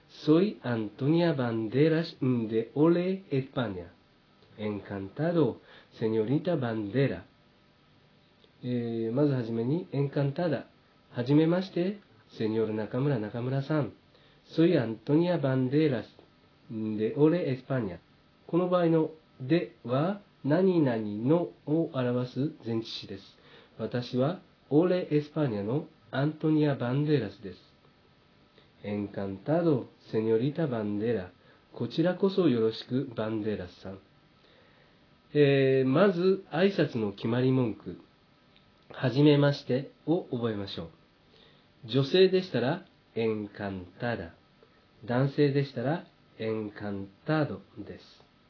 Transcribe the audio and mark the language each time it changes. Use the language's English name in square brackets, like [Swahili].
[Spanish] Soy Antonia Banderas de Ole, España. Encantado, señorita Bandera. [Japanese] まずはじめに、 [Spanish] Encantada。 [Japanese] はじめまして、 [Spanish] señor Nakamura、 [Japanese] 中村さん。 [Spanish] Soy Antonia Banderas de Ole, España. [Japanese] この場合の「で」は何々のを表す前置詞です。私は Ole, España のアントニア・バンデラスです。 [Spanish] Encantado, señorita Bandera. [Japanese] こちらこそよろしく、バンデラスさん。まず挨拶の決まり文句、はじめましてを覚えましょう。女性でしたら Encantada。男性でしたら、エンカンタードです。